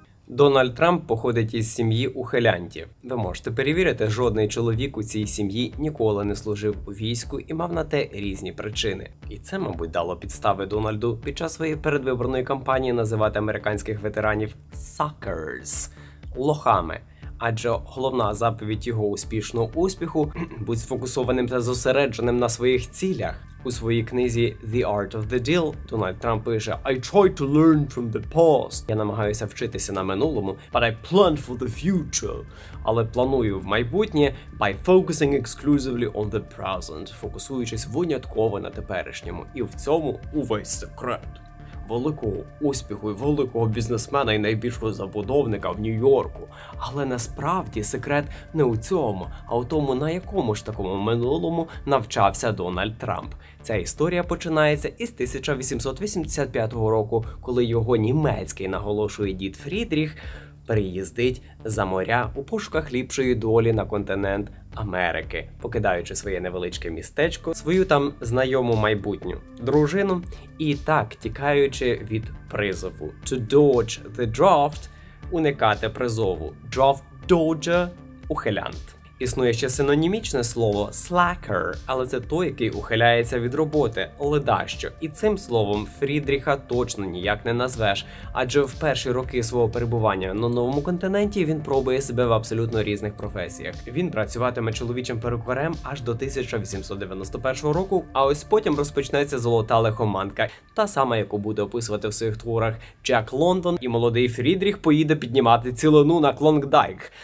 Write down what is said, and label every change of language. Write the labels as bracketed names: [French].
[Ukrainian] Дональд Трамп походить із сім'ї ухилянтів. Ви можете перевірити, жодний чоловік у цій сім'ї ніколи не служив у війську і мав на те різні причини. І це, мабуть, дало підстави Дональду під час своєї передвиборної кампанії називати американських ветеранів «suckers» – лохами. Адже головна заповідь його успішного успіху – бути сфокусованим та зосередженим на своїх цілях. У своїй книзі «The Art of the Deal» Дональд Трамп пише [English] «I try to learn from the past». [Ukrainian] Я намагаюся вчитися на минулому, [English] but I plan for the future. [Ukrainian] Але планую в майбутнє [English] by focusing exclusively on the present, [Ukrainian] фокусуючись винятково на теперішньому. І в цьому увесь секрет великого успіху і великого бізнесмена і найбільшого забудовника в Нью-Йорку. Але насправді секрет не у цьому, а у тому, на якому ж такому минулому навчався Дональд Трамп. Ця історія починається із 1885 року, коли його німецький, наголошує дід Фрідріх, переїздить за моря у пошуках ліпшої долі на континент Америки, покидаючи своє невеличке містечко, свою там знайому майбутню дружину, і так тікаючи від призову. [English] To dodge the draft – [Ukrainian] уникати призову. [English] Draft dodger – ухилянт. [Ukrainian] Існує ще синонімічне слово «slacker», але це той, який ухиляється від роботи, ледащо. І цим словом Фрідріха точно ніяк не назвеш, адже в перші роки свого перебування на новому континенті він пробує себе в абсолютно різних професіях. Він працюватиме чоловічим перукарем аж до 1891 року, а ось потім розпочнеться золота лихоманка, та сама, яку буде описувати в своїх творах Джек Лондон, і молодий Фрідріх поїде піднімати цілину на Клондайк.